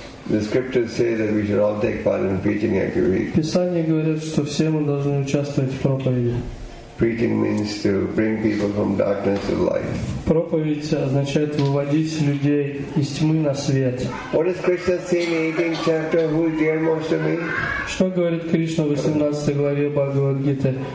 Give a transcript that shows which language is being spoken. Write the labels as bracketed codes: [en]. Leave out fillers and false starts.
[en] The scriptures say that we should all take part in preaching activity. [ru] Писание говорит, что все мы должны участвовать в проповеди. [en] Preaching means to bring people from darkness to light. [ru] Проповедь означает выводить людей из тьмы на свет. [en] What does Krishna say in the 18th chapter? Who is dear most to me? [ru] Что говорит Кришна в 18 главе Бхагавад-гиты?